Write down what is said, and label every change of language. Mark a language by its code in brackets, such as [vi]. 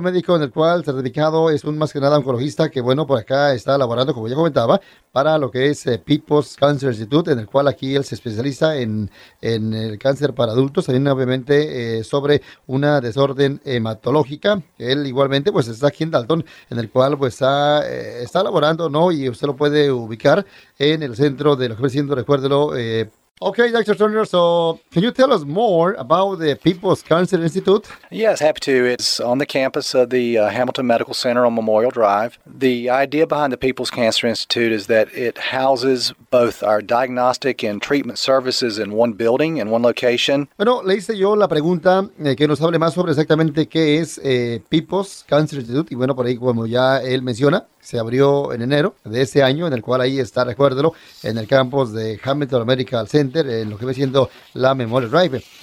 [es] Médico en el cual certificado es un más que nada oncologista que, bueno, por acá está elaborando, como ya comentaba, para lo que es People's Cancer Institute, en el cual aquí él se especializa en el cáncer para adultos, también obviamente sobre una desorden hematológica. Él igualmente pues está aquí en Dalton, en el cual pues está laborando, ¿no? Y usted lo puede ubicar en el centro de lo que estoy diciendo, recuérdelo. [en] Okay, Dr. Turner, so can you tell us more about the People's Cancer Institute? Yes, happy to. It's on the campus of the Hamilton Medical Center on Memorial Drive. The idea behind the People's Cancer Institute is that it houses both our diagnostic and treatment services in one building, in one location. [es] Bueno, le hice yo la pregunta que nos hable más sobre exactamente qué es People's Cancer Institute. Y bueno, por ahí, como ya él menciona, se abrió en enero de ese año, en el cual ahí está, recuérdelo, en el campus de Hamilton Medical Center, en lo que viene siendo la Memorial Drive.